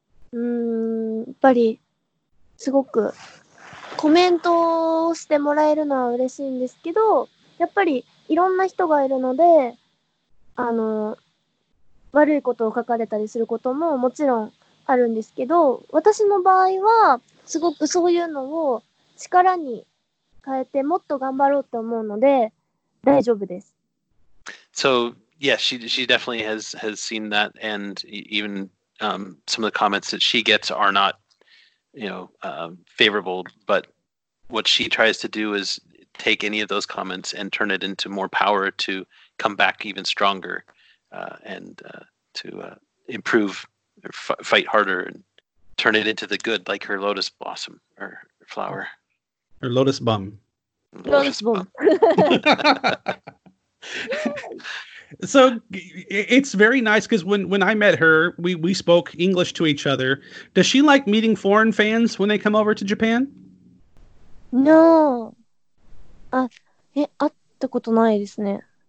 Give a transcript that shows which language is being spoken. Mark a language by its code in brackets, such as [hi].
[ja] やっぱりすごくコメントをしてもらえるのは嬉しいんですけど、やっぱりいろんな人がいるので、悪いことを書かれたりすることももちろん。あるんですけど、私の場合はすごくそういうのを力に変えてもっと頑張ろうと思うので大丈夫です。 [en] So, yes, she definitely has seen that, and even some of the comments that she gets are not, favorable, but what she tries to do is take any of those comments and turn it into more power to come back even stronger and to improve. Fight harder and turn it into the good, like her lotus blossom or flower. Her lotus bum. Lotus bum. So it's very nice because when I met her, we spoke English to each other. Does she like meeting foreign fans when they come over to Japan? No. [ja] あったことないですね。